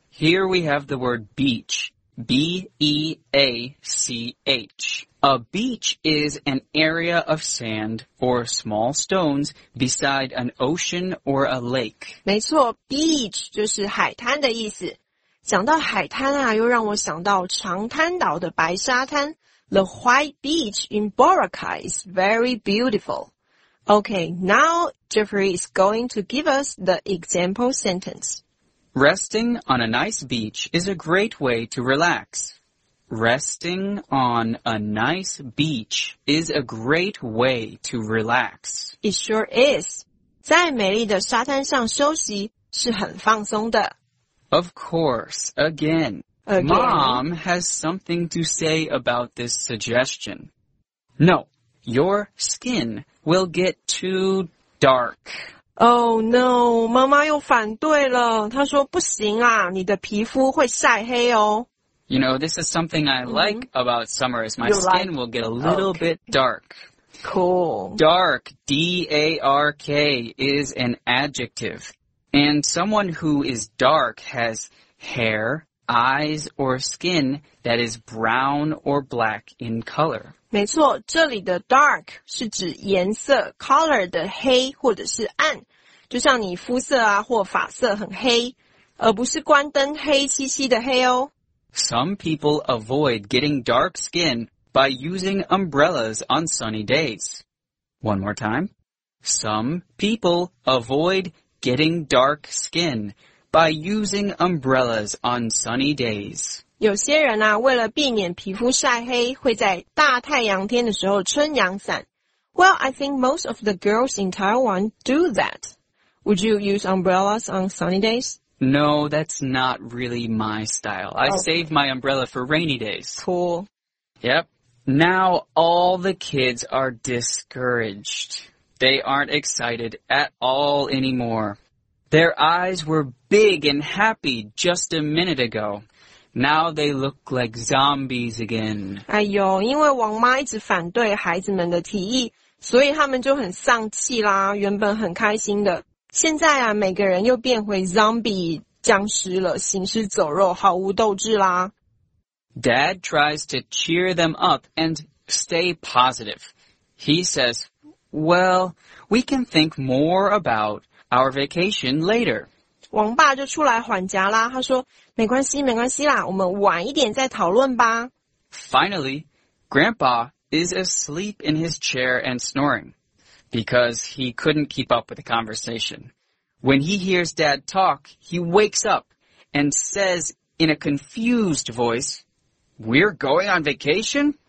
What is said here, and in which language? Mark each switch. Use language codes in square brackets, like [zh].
[en] Here we have the word beach. B-E-A-C-H. A beach is an area of sand or small stones beside an ocean or a lake. [zh] 没错 ,beach 就是海滩的意思。讲到海滩啊又让我想到长滩岛的白沙滩。 [en] The white beach in Boracay is very beautiful. Okay, now Jeffrey is going to give us the example sentence. Resting on a nice beach is a great way to relax. Resting on a nice beach is a great way to relax. It sure is. [zh] 在美丽的沙滩上休息是很放松的。 [en] Of course, again. Mom has something to say about this suggestion. No, your skin will get too dark. Oh no, [zh] 妈妈又反对了。她说不行啊，你的皮肤会晒黑哦。 [en] You know, this is something I like about summer is my skin will get a little bit dark. Cool. Dark, D-A-R-K, is an adjective. And someone who is dark has hair, eyes, or skin that is brown or black in color. [zh] 没错，这里的 dark 是指颜色 ,color 的黑或者是暗。就像你肤色啊或发色很黑而不是关灯黑漆漆的黑哦。 [en] Some people avoid getting dark skin by using umbrellas on sunny days. One more time. Some people avoid getting dark skin by using umbrellas on sunny days. [zh] 有些人啊，为了避免皮肤晒黑，会在大太阳天的时候撑阳伞。 [en] Well, I think most of the girls in Taiwan do that. Would you use umbrellas on sunny days? No, that's not really my style. I save my umbrella for rainy days. Cool. Yep. Now all the kids are discouraged. They aren't excited at all anymore. Their eyes were big and happy just a minute ago. Now they look like zombies again. [zh] 哎呦，因为王妈一直反对孩子们的提议，所以他们就很丧气啦，原本很开心的。现在啊，每个人又变回 zombie 僵尸了，行尸走肉，毫无斗志啦。 [en] Dad tries to cheer them up and stay positive. He says, well, we can think more about our vacation later. [zh] 王爸就出来缓颊啦，他说，没关系，没关系啦，我们晚一点再讨论吧。 [en] Finally, Grandpa is asleep in his chair and snoring. Because he couldn't keep up with the conversation. When he hears Dad talk, he wakes up and says in a confused voice, We're going on vacation?